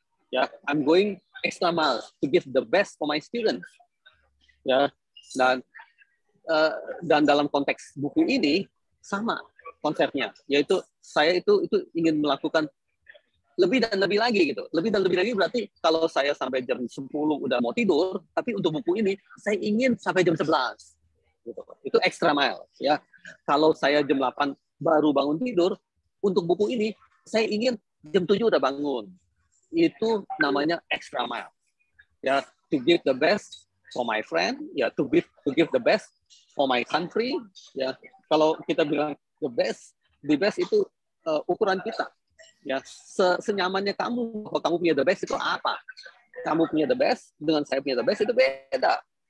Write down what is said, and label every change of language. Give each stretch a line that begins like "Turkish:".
English: Ya, I'm going extra miles to give the best for my students.
Indonesian: Ya, dan dalam konteks buku ini sama konsepnya, yaitu saya itu ingin melakukan lebih dan lebih lagi gitu. Lebih dan lebih lagi berarti kalau saya sampai jam 10 udah mau tidur, tapi untuk buku ini saya ingin sampai jam 11. Gitu. Itu extra mile ya. Kalau saya jam 8 baru bangun tidur, untuk buku ini saya ingin jam 7 udah bangun. Itu namanya extra mile.
English: Ya, to give the best for my friend, ya, to give the best for my country, ya.
Indonesian: Kalau kita bilang
English: the best
Indonesian: itu ukuran kita. Ya, senyamannya kamu, kalau kamu punya
English: the best
Indonesian: itu apa? Kamu punya
English: the best
Indonesian: dengan saya punya the best itu beda.